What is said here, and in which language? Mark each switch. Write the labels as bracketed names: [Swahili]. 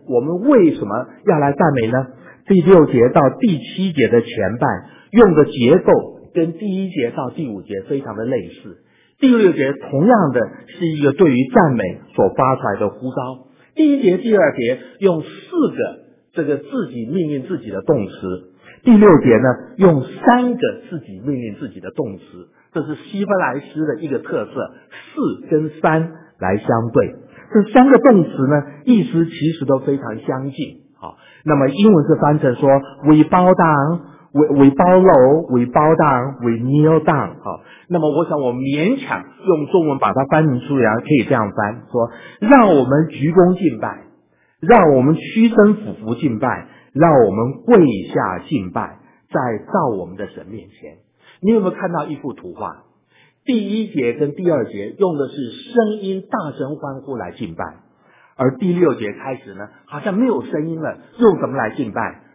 [Chinese] 我们为什么要来赞美呢？第六节到第七节的前半用的结构跟第一节到第五节非常的类似，第六节同样的是一个对于赞美所发出来的呼召，第一节第二节用四个这个自己命运自己的动词。第六节呢，用三个自己命运自己的动词，这是希伯来诗的一个特色，四跟三来相对。这三个动词呢，意思其实都非常相近。好，那么英文是翻成说 [English] ，we bow down, we bow low, we bow down, we kneel down。 [Chinese] 好，那么我想我勉强用中文把它翻译出来，可以这样翻说：让我们鞠躬敬拜，让我们屈身俯伏敬拜，让我们跪下敬拜，在造我们的神面前。你有没有看到一幅图画？第一节跟第二节用的是声音大声欢呼来敬拜，而第六节开始呢，好像没有声音了，用什么来敬拜？